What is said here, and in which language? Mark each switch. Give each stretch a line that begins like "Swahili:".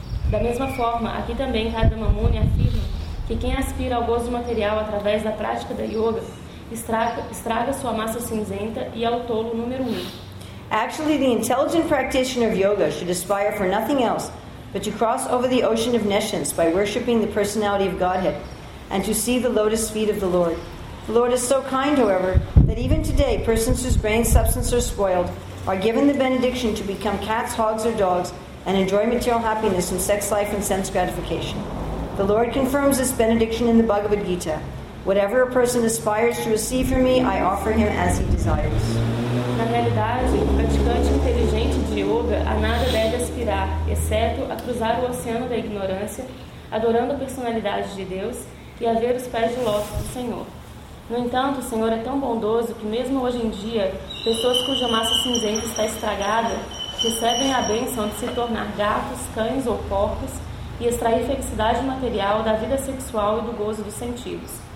Portuguese: Da mesma forma, aqui também Kardama Muni afirma que quem aspira ao gozo material através da prática da yoga estraga sua massa cinzenta e é o tolo número um.
English: Actually, the intelligent practitioner of yoga should aspire for nothing else but to cross over the ocean of nescience by worshipping the personality of Godhead and to see the lotus feet of the Lord. The Lord is so kind, however, that even today persons whose brain substance are spoiled are given the benediction to become cats, hogs, or dogs and enjoy material happiness in sex life and sense gratification. The Lord confirms this benediction in the Bhagavad Gita. Whatever a person aspires to receive from me, I offer him as he desires.
Portuguese: Na realidade, o praticante inteligente de yoga a nada deve aspirar, exceto a cruzar o oceano da ignorância, adorando a personalidade de Deus e a ver os pés de lótus do Senhor. No entanto, o Senhor é tão bondoso que mesmo hoje em dia, pessoas cuja massa cinzenta está estragada recebem a bênção de se tornar gatos, cães ou porcos e extrair felicidade material da vida sexual e do gozo dos sentidos.